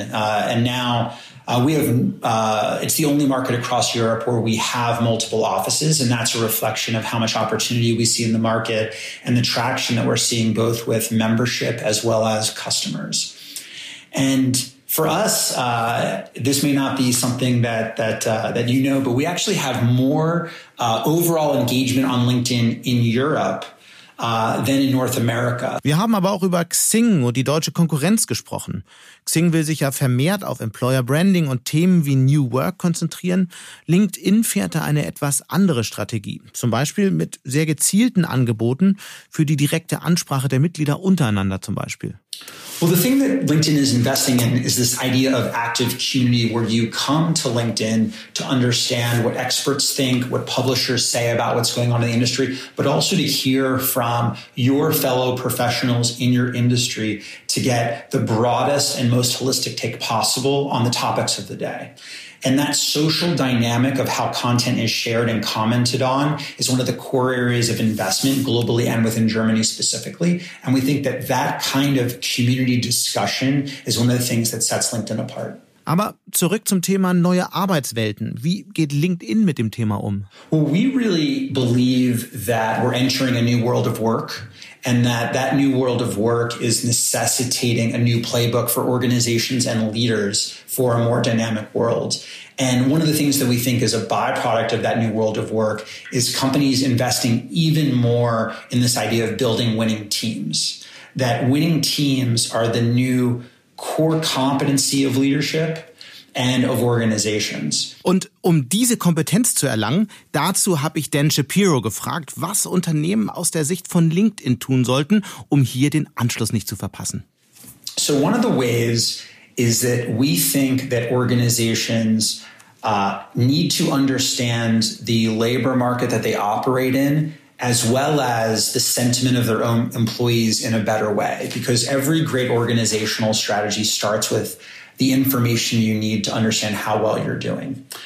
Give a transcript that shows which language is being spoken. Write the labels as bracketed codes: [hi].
[en] It's the only market across Europe where we have multiple offices, and that's a reflection of how much opportunity we see in the market and the traction that we're seeing both with membership as well as customers. And for us, this may not be something that you know, but we actually have more overall engagement on LinkedIn in Europe than in North America. [de] Wir haben aber auch über Xing und die deutsche Konkurrenz gesprochen. Xing will sich ja vermehrt auf Employer Branding und Themen wie New Work konzentrieren. LinkedIn fährt da eine etwas andere Strategie. Zum Beispiel mit sehr gezielten Angeboten für die direkte Ansprache der Mitglieder untereinander zum Beispiel. [en] Well, the thing that LinkedIn is investing in is this idea of active community, where you come to LinkedIn to understand what experts think, what publishers say about what's going on in the industry, but also to hear from your fellow professionals in your industry to get the broadest and most holistic take possible on the topics of the day. And that social dynamic of how content is shared and commented on is one of the core areas of investment globally and within Germany specifically. And we think that that kind of community discussion is one of the things that sets LinkedIn apart. [de] Aber zurück zum Thema neue Arbeitswelten. Wie geht LinkedIn mit dem Thema um? [en] Well, we really believe that we're entering a new world of work, and that new world of work is necessitating a new playbook for organizations and leaders for a more dynamic world. And one of the things that we think is a byproduct of that new world of work is companies investing even more in this idea of building winning teams. That winning teams are the new core competency of leadership and of organizations. [de] Und um diese Kompetenz zu erlangen, dazu habe ich Dan Shapiro gefragt, was Unternehmen aus der Sicht von LinkedIn tun sollten, um hier den Anschluss nicht zu verpassen. [en] So one of the ways is that we think that organizations need to understand the labor market that they operate in, as well as the sentiment of their own employees in a better way. Because every great organizational strategy starts with the information you need to understand how well you're doing.